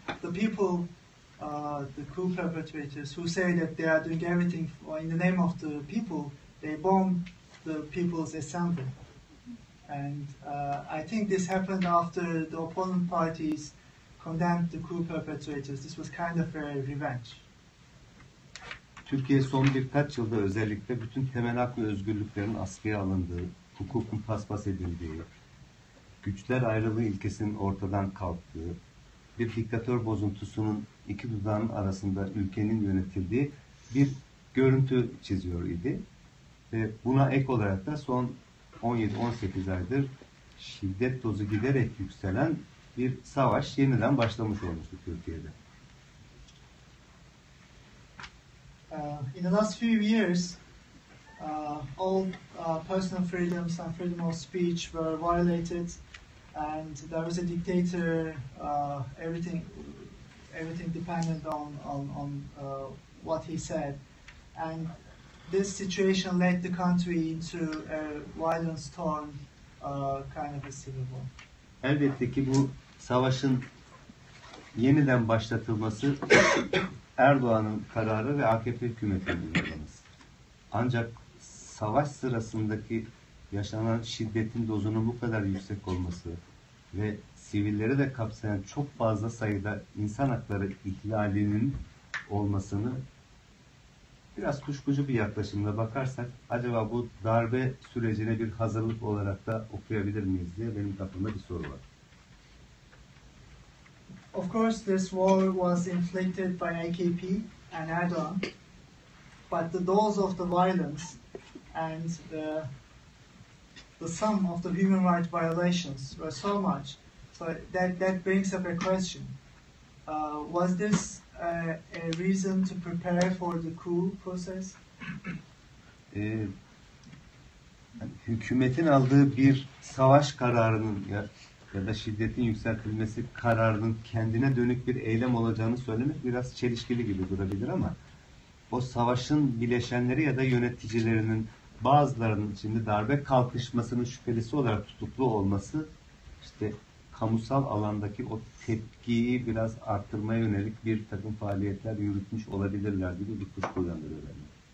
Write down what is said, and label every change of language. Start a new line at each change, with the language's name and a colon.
English: The people, the coup perpetrators, who say that they are doing everything for, in the name of the people, they bomb the people's assembly. And I think this happened after the opponent parties condemned the coup perpetrators. This was kind of a revenge.
Turkish: Türkiye son birkaç yılda özellikle bütün temel hak ve özgürlüklerin askıya alındığı, hukukun paspas edildiği, güçler ayrılığı ilkesinin ortadan kalktığı, bir diktatör bozuntusunun iki dudağın arasında ülkenin yönetildiği bir görüntü çiziyor idi. Ve buna ek olarak da son 17-18 aydır şiddet dozu giderek yükselen bir savaş yeniden başlamış olmuştu Türkiye'de.
English: In the last few years, all personal freedoms and freedom of speech were violated, and there was a dictator. Everything depended on what he said, and this situation led the country into a violent storm, kind of a civil war.
Turkish: Elbette ki bu savaşın yeniden başlatılması. Erdoğan'ın kararı ve AKP hükümetinin uygulaması. Ancak savaş sırasındaki yaşanan şiddetin dozunun bu kadar yüksek olması ve sivilleri de kapsayan çok fazla sayıda insan hakları ihlalinin olmasını biraz kuşkucu bir yaklaşımla bakarsak acaba bu darbe sürecine bir hazırlık olarak da okuyabilir miyiz diye benim kafamda bir soru var.
English: Of course, this war was inflicted by AKP and Erdoğan, but the dose of the violence and the sum of the human rights violations were so much, so that brings up a question. Was this a reason to prepare for the coup process?
Turkish: Hükümetin aldığı bir savaş kararının ya da şiddetin yükseltilmesi kararının kendine dönük bir eylem olacağını söylemek biraz çelişkili gibi durabilir ama o savaşın bileşenleri ya da yöneticilerinin bazılarının şimdi darbe kalkışmasının şüphelisi olarak tutuklu olması işte kamusal alandaki o tepkiyi biraz arttırmaya yönelik bir takım faaliyetler yürütmüş olabilirler gibi bir kuşku uyandırıyor bence.